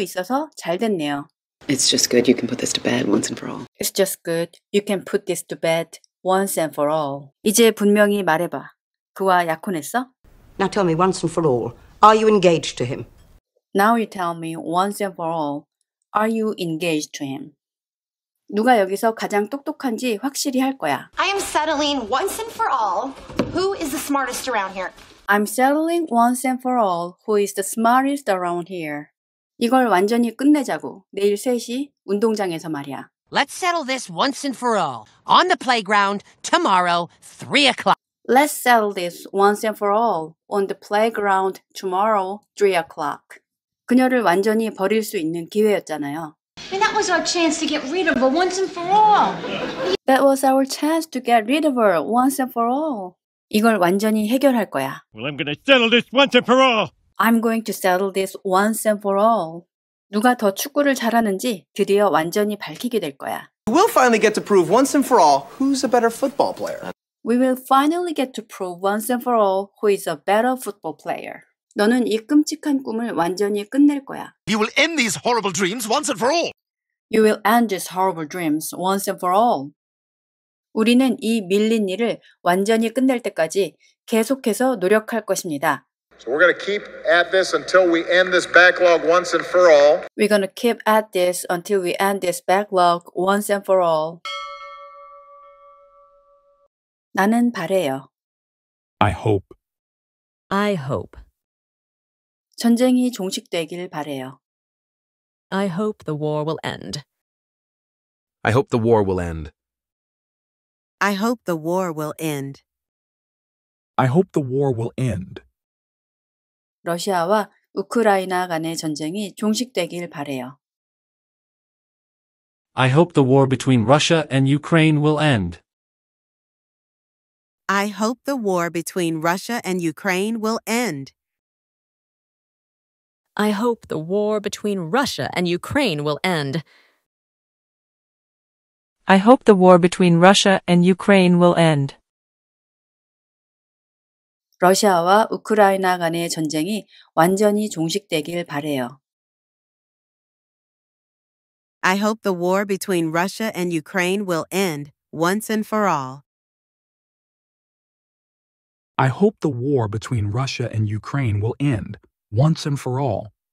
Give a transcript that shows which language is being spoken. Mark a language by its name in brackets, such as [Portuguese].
[English] It's just good you can put this to bed once and for all. It's just good you can put this to bed once and for all. [Korean] 이제 분명히 말해봐. 그와 약혼했어? [English] Now tell me once and for all. Are you engaged to him? Now you tell me once and for all. Are you engaged to him? [Korean] 누가 여기서 가장 똑똑한지 확실히 할 거야. [English] I am settling once and for all. Who is the smartest around here? I'm settling once and for all who is the smartest around here. [Korean] 이걸 완전히 끝내자고. 내일 3시 운동장에서 말이야. [English] Let's settle this once and for all. On the playground tomorrow, 3 o'clock. Let's settle this once and for all. On the playground tomorrow, 3 o'clock. [Korean] 그녀를 완전히 버릴 수 있는 기회였잖아요. [English] And that was our chance to get rid of her once and for all. That was our chance to get rid of her once and for all. [Korean] 이걸 완전히 해결할 거야. [English] Well, I'm going to settle this once and for all. I'm going to settle this once and for all. [Korean] 누가 더 축구를 잘하는지 드디어 완전히 밝히게 될 거야. [English] We'll finally get to prove once and for all who's a better football player. We will finally get to prove once and for all who is a better football player. [Korean] 너는 이 끔찍한 꿈을 완전히 끝낼 거야. [English] You will end these horrible dreams once and for all. You will end these horrible dreams once and for all. [Korean] 우리는 이 밀린 일을 완전히 끝낼 때까지 계속해서 노력할 것입니다. [English] So we're going to keep at this until we end this backlog once and for all. We're going to keep at this until we end this backlog once and for all. [Korean] 나는 바래요. [English] I hope. I hope. [Korean] 전쟁이 종식되길 바래요. [English] I hope the war will end. I hope the war will end. I hope the war will end. I hope the war will end. [Korean] 러시아와 우크라이나 간의 전쟁이 종식되길 바래요. [English] I hope the war between Russia and Ukraine will end. I hope the war between Russia and Ukraine will end. I hope the war between Russia and Ukraine will end. I hope the war between Russia and Ukraine will end. [Korean] 러시아와 우크라이나 간의 전쟁이 완전히 종식되길 바래요. [English] I hope the war between Russia and Ukraine will end once and for all. I hope the war between Russia and Ukraine will end once and for all.